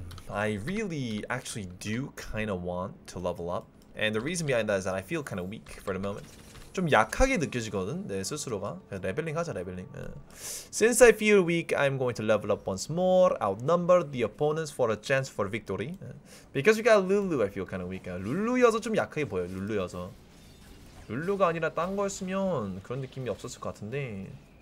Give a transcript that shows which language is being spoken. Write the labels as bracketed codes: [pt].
[en] I really actually do kind of want to level up. And the reason behind that is that I feel kind of weak for the moment. [ko] 좀 약하게 느껴지거든, 내 스스로가. 레벨링 하자, 레벨링. [en] Since I feel weak, I'm going to level up once more. Outnumber the opponents for a chance for victory. Because we got Lulu, I feel kind of weak. [ko] 룰루여서 좀 약하게 보여, 룰루여서. 룰루가 아니라 딴 거였으면 그런 느낌이 없었을 것 같은데.